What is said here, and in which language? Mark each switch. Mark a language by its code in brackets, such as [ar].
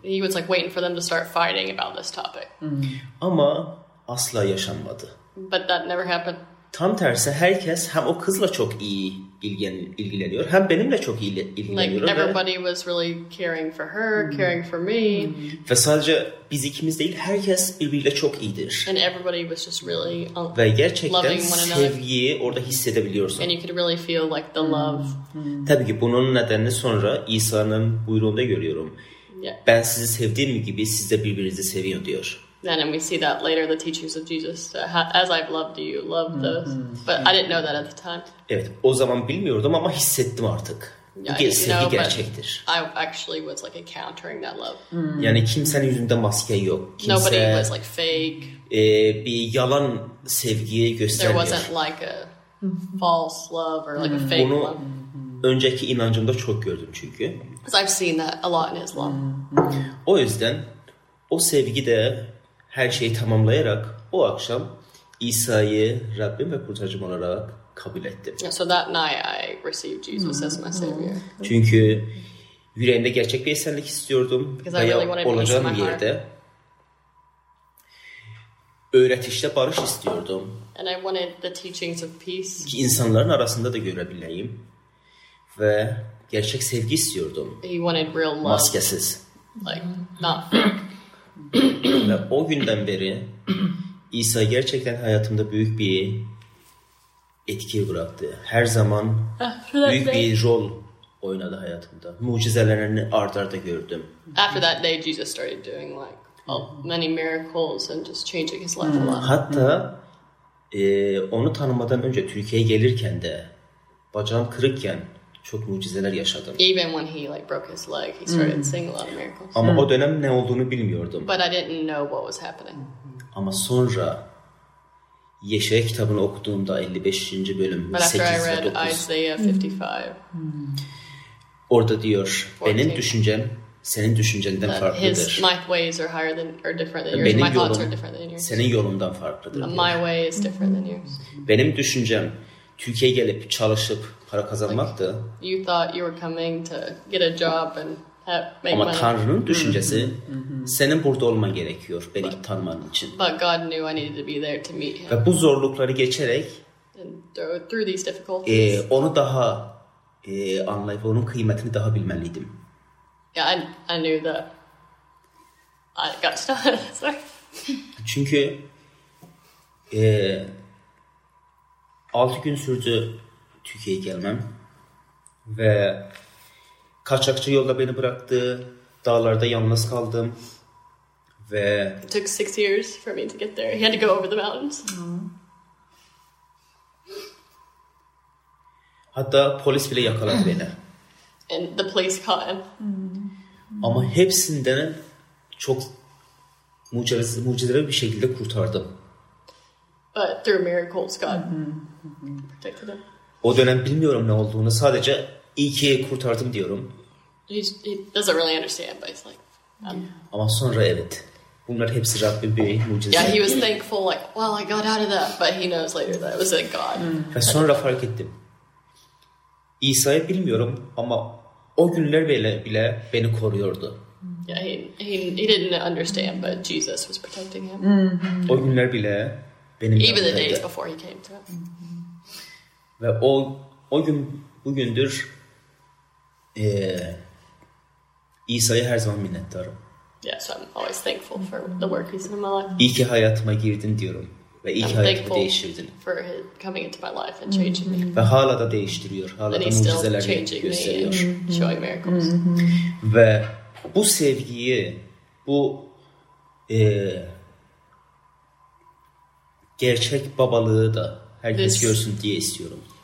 [en] He was like waiting for them to start fighting about this topic. [tr] Ama asla yaşanmadı. [en] But that never happened. [tr] Tam tersi, herkes hem o kızla çok iyi ilgileniyor, hem benimle çok iyi ilgileniyor. [en] Like everybody was really caring for her, caring for me. [tr] Ve sadece biz ikimiz değil, herkes birbiriyle çok iyidir. [en] And everybody was just really [tr] ve gerçekten sevgiyi orada hissedebiliyorsun. [en] And you could really feel like the love. [tr] Tabii ki bunun nedenini sonra İsa'nın buyruğunda görüyorum. [en] Yeah. [tr] Ben sizi sevdiğim gibi siz de birbirinizi seviyor diyor. [en] Then and we see that later the teachings of Jesus as I've loved you love those but I didn't know that at the time. [tr] Evet, o zaman bilmiyordum ama hissettim artık. [en] Yeah, [tr] sevgi [en] know, [tr] gerçektir. [en] I actually was like encountering that love. [tr] Yani kimsenin yüzünde maske yok. Kimse, [en] nobody was like fake. [tr] Bir yalan sevgiyi göstermiyor. [en] There wasn't like a false love or like a fake [tr] bunu [en] love. [tr] Önceki inancımda çok gördüm çünkü. [en] Because I've seen that a lot in Islam. [tr] O yüzden o sevgi de her şeyi tamamlayarak o akşam İsa'yı Rabbim ve kurtarıcım olarak kabul ettim. [en] So that night I received Jesus as my savior. [tr] Çünkü yüreğimde gerçek bir esenlik istiyordum. [en] Because [tr] veya [en] really [tr] olacağım yerde öğretişte barış istiyordum. [en] And I wanted the teachings of peace. [tr] Ki insanların arasında da görebileyim. Ve gerçek sevgi istiyordum. [en] He wanted real love. [tr] Maskesiz. [en] Like not fake. [tr] Ve o günden beri İsa gerçekten hayatımda büyük bir etki bıraktı. Her zaman büyük bir rol oynadı hayatımda. Mucizelerini art arda gördüm. [en] After that day Jesus started doing like many miracles and just changing his life a lot. [tr] Hatta onu tanımadan önce Türkiye'ye gelirken de bacağım kırıkken çok mucizeler yaşadım. [en] Even when he like broke his leg, he started seeing a lot of miracles. [tr] Ama o dönem ne olduğunu bilmiyordum. [en] But I didn't know what was happening. [tr] Ama sonra Yeşaya kitabını okuduğumda 55. bölüm 8 ve 9. [en] Isaiah 55. [tr] Orada diyor, 14. Benim düşüncem senin düşüncenden [en] that [tr] farklıdır. [en] His, my ways are higher than or different than yours. [tr] Benim [en] my thoughts are different than yours. [tr] Senin yolundan farklıdır. [en] My way is different than yours. [tr] Benim düşüncem Türkiye'ye gelip çalışıp para kazanmaktı. [en] Like you thought you were coming to get a job and have, make [tr] ama [en] money. [tr] Ama Tanrı'nın düşüncesi senin burada olman gerekiyor beni tanıman için. [en] But God knew I needed to be there to meet him. [tr] Ve bu zorlukları geçerek [en] and through these difficulties. [tr] Onu daha anlayıp onun kıymetini daha bilmeliydim. [en] Yeah, I knew that. I got started. Sorry. [tr] Çünkü 6 gün sürdü Türkiye'ye gelmem ve kaçakçı yolda beni bıraktı, dağlarda yalnız kaldım ve [en] it took 6 years for me to get there. He had to go over the mountains. [tr] Hatta polis bile yakaladı beni. [en] And the police caught him. [tr] Ama hepsinden çok mucizevi bir şekilde kurtardım. [en] But through miracles, God protected him. [tr] O dönem bilmiyorum ne olduğunu. Sadece iyi ki kurtardım diyorum. [en] He doesn't really understand, but he's like. [tr] Ama sonra evet. Bunlar hepsi Rabbin bir mucizesi. [en] Yeah, he was thankful, like, well, I got out of that. But he knows later that it was a God. [tr] Ve sonra fark ettim. İsa'yı bilmiyorum ama o günler bile beni koruyordu. [en] Yeah, he didn't understand, but Jesus was protecting him. [tr] O günler bile benim [en] even the days before he came to him. [tr] Ve o gün bugündür İsa'ya her zaman minnettarım. [en] Yeah, so I'm always thankful for the work he's in my life. [tr] İyi ki hayatıma girdin diyorum. Ve iyi ki hayatımı değiştirdin. [en] For his coming into my life and changing me. [tr] Ve hala da değiştiriyor. Hala da mucizeler gösteriyor. [en] Showing miracles. [tr] Ve bu sevgiyi, bu gerçek babalığı da herkes [en] this, [tr] görsün diye istiyorum.